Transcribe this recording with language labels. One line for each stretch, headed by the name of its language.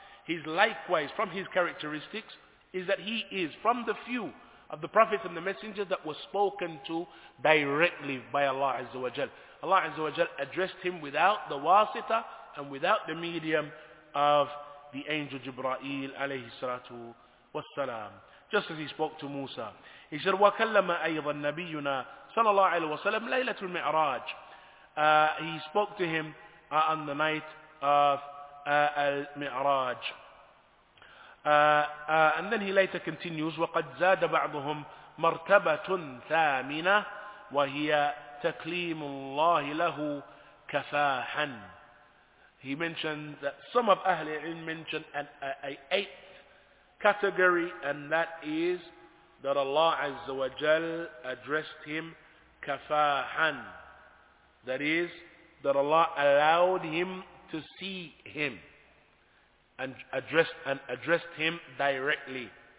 English: He's likewise, from his characteristics, is that he is from the few of the prophets and the messengers that were spoken to directly by Allah Azza wa Jal. Allah Azza wa Jal addressed him without the wasita and without the medium of the angel Jibreel alayhi salatu wa salam, just as he spoke to Musa. He said,
Arabic: وَكَلَّمَ أَيْضًا نَبِيُّنَا صَلَى اللَّهُ عَلَيْهِ وَسَلَمْ لَيْلَةُ الْمِعْرَاجِ.
English: He spoke to him on the night of Al-Mi'raj. And then he later continues,
Arabic: وَقَدْ زَادَ بَعْضُهُمْ مَرْتَبَةٌ ثَامِنَةٌ وَهِيَ تَكْلِيمُ اللَّهِ لَهُ كَفَاحًا.
English: He mentioned that some of Ahl-i-Ilm mentioned an eighth category, and that is that Allah Azza wa Jal addressed him kafahan. That is, that Allah allowed him to see him and addressed him directly.